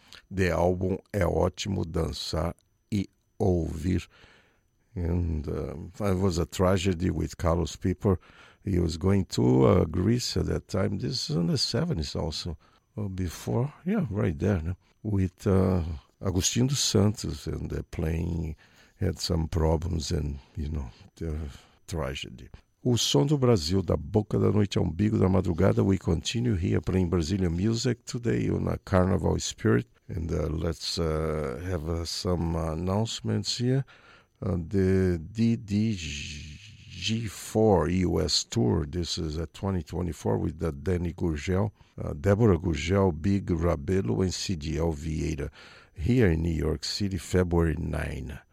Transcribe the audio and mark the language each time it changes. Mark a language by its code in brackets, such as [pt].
[en] The album [pt] é ótimo dançar e ouvir. [en] And it was a tragedy with Carlos Piper. He was going to Greece at that time. This is in the 70s also. Before, right there. No? With Agostinho dos Santos, and the plane had some problems and, the tragedy. [pt] O Som do Brasil, da Boca da Noite ao Umbigo da Madrugada. [en] We continue here playing Brazilian music today on a Carnaval Spirit. And let's have some announcements here. The DDG4 US Tour, this is a 2024 with Danny Gurgel, Deborah Gurgel, Big Rabelo, and CDL Vieira here in New York City, February 9.